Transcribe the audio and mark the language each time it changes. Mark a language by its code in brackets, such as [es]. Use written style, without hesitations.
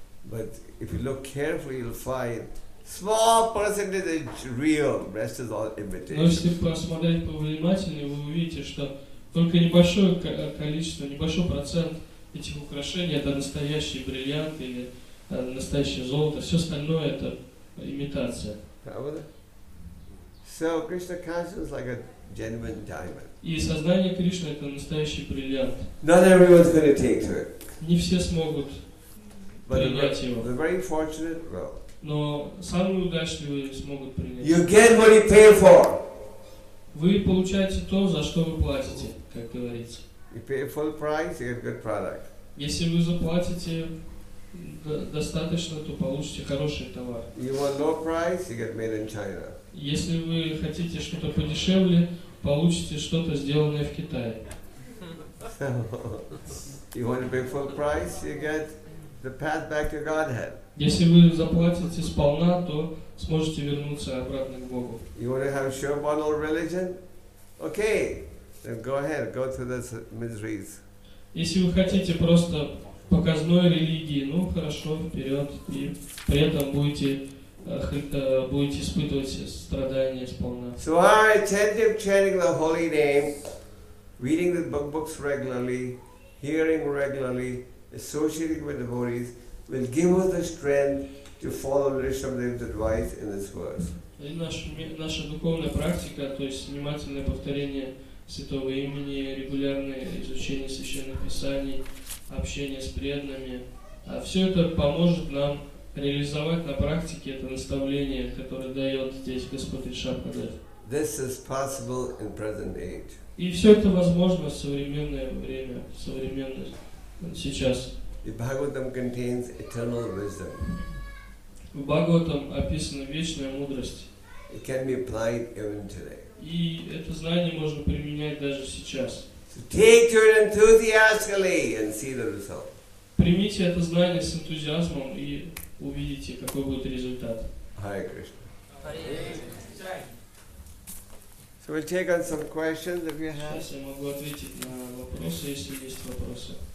[en] But if you look carefully, you'll find small percentage real, rest is all imitation. [ru] Но если посмотреть повнимательнее, вы увидите, что только небольшое количество, небольшой процент этих украшений это настоящие бриллианты или настоящее золото, все остальное это имитация. [en] So Krishna consciousness is like a genuine diamond. [ru] И сознание Кришны это настоящий бриллиант. [en] Not everyone's going to take to it. [ru] Не все смогут принять его. [en] The very fortunate will. [ru] Но самые удачливые смогут принять. [en] You get what you pay for. [ru] Вы получаете то, за что вы платите, как говорится. [en] You pay full price, you get good product. [ru] Если вы заплатите достаточно, то получите хороший товар. [en] You want low price, you get made in China. [ru] Если вы хотите что-то подешевле, получите что-то сделанное в Китае. [en] You want to pay full price, you get the path back to Godhead. [ru] Если вы заплатите сполна, то сможете вернуться обратно к Богу. [en] You want to have sure bottle religion? Okay, then go ahead, go through the miseries. [ru] Если вы хотите просто показной религии, ну хорошо, вперед, и при этом будете испытывать страдания сполна. [en] So our attentive chanting the holy name, reading the books regularly, hearing regularly, associating with devotees, will give us the strength to follow Rishabhdev's advice in this verse. [ru] Наша духовная практика, то есть внимательное повторение святого имени, регулярное изучение священных писаний, общение с преданными, все это поможет нам реализовать на практике это наставление, которое дает здесь Господь Ришабхадев. [en] This is possible in present age. [ru] И все это возможно в современное время, в современное сейчас. [en] The Bhagavatam contains eternal wisdom. [ru] В Бхагаватам описана вечная мудрость. [en] It can be applied even today. [ru] И это знание можно применять даже сейчас. [en] So take to it enthusiastically and see the result. [ru] Примите это знание с энтузиазмом и увидите, какой будет результат. [en] Hare Krishna. So we'll take on some questions if you have. [ru] Сейчас я могу ответить на вопросы, если есть вопросы.